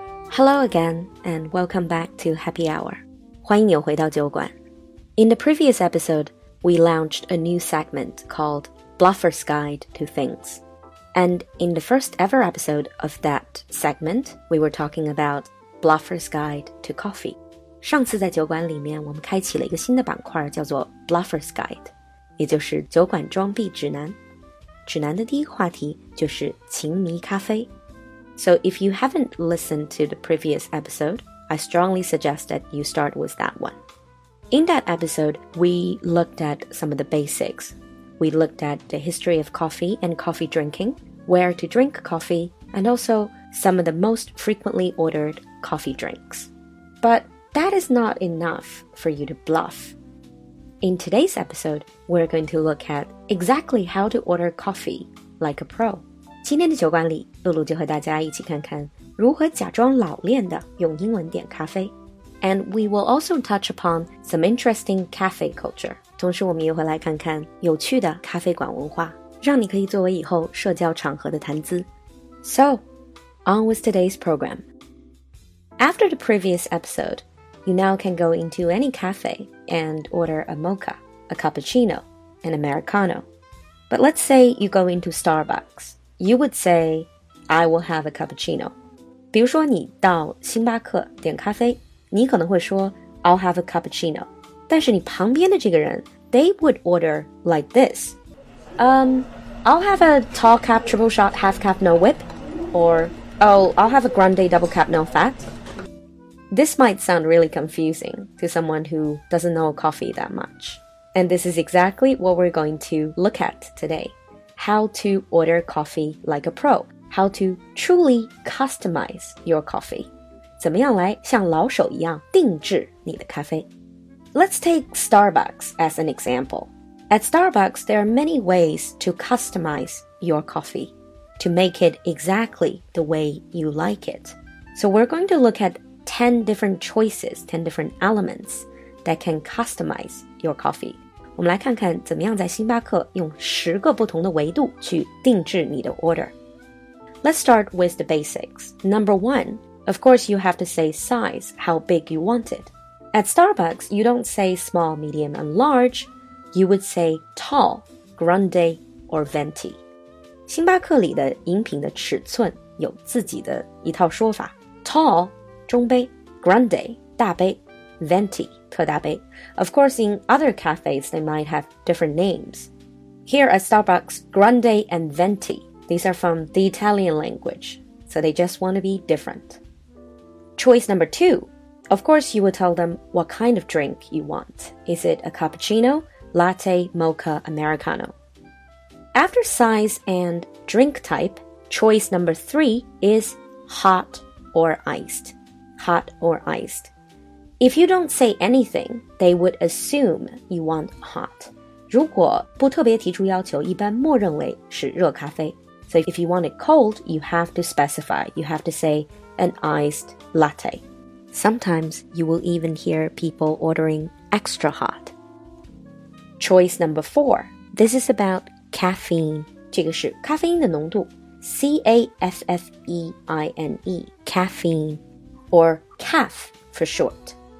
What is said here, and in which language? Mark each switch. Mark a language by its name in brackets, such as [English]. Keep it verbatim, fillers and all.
[English] Hello again, and welcome back to Happy Hour. [Chinese] 欢迎你回到酒馆。 [English] In the previous episode, we launched a new segment called Bluffer's Guide to Things. And in the first ever episode of that segment, we were talking about Bluffer's Guide to Coffee. [Chinese] 上次在酒馆里面，我们开启了一个新的板块，叫做 Bluffer's Guide， 也就是酒馆装逼指南。指南的第一个话题就是情迷咖啡。 [English] So if you haven't listened to the previous episode, I strongly suggest that you start with that one. In that episode, we looked at some of the basics. We looked at the history of coffee and coffee drinking, where to drink coffee, and also some of the most frequently ordered coffee drinks. But that is not enough for you to bluff. In today's episode, we're going to look at exactly how to order coffee like a pro. [Chinese] 今天的酒馆里，露露就和大家一起看看如何假装老练的用英文点咖啡。 [English] And we will also touch upon some interesting cafe culture. [Chinese] 同时我们也会来看看有趣的咖啡馆文化，让你可以作为以后社交场合的谈资。 [English] So, on with today's program. After the previous episode, you now can go into any cafe and order a mocha, a cappuccino, an Americano. But let's say you go into Starbucks. You would say, I will have a cappuccino. [Chinese] 比如说你到星巴克点咖啡，你可能会说 [English] I'll have a cappuccino. [Chinese] 但是你旁边的这个人 [English] they would order like this. Um, I'll have a tall cap, triple shot, half cap, no whip. Or, oh, I'll have a grande, double cap, no fat. This might sound really confusing to someone who doesn't know coffee that much. And this is exactly what we're going to look at today. How to order coffee like a pro. How to truly customize your coffee. [Chinese] 怎么样来像老手一样定制你的咖啡。 [English] Let's take Starbucks as an example. At Starbucks, there are many ways to customize your coffee to make it exactly the way you like it. So we're going to look at ten different choices, ten different elements that can customize your coffee. [Chinese] 我们来看看怎么样在星巴克用十个不同的维度去定制你的 order. [English] Let's start with the basics. Number one, of course you have to say size, how big you want it. At Starbucks, you don't say small, medium, and large. You would say tall, grande, or venti. [Chinese] 星巴克里的饮品的尺寸有自己的一套说法。 Tall, 中杯 grande, 大杯Venti, 特大杯. [English] Of course, in other cafes, they might have different names. Here at Starbucks, grande and venti, these are from the Italian language, so they just want to be different. Choice number two. Of course, you will tell them what kind of drink you want. Is it a cappuccino, latte, mocha, Americano? After size and drink type, choice number three is hot or iced. Hot or iced. If you don't say anything, they would assume you want hot. [Chinese] 如果不特别提出要求，一般默认为是热咖啡。 [English] So if you want it cold, you have to specify. You have to say an iced latte. Sometimes you will even hear people ordering extra hot. Choice number four. This is about caffeine. [Chinese] 这个是咖啡因的浓度 [English] C A F F E I N E, caffeine, or caf for short.